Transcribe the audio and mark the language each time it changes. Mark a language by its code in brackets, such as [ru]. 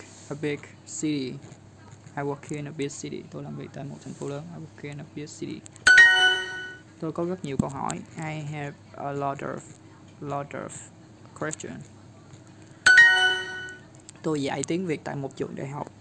[en] I work in a big city. I work in a big city. [vi] Tôi làm việc tại một thành phố lớn. [en] I work in a big city. [vi] Tôi có rất nhiều câu hỏi. [en] I have a lot of questions. [vi] Tôi dạy tiếng Việt tại một trường đại học.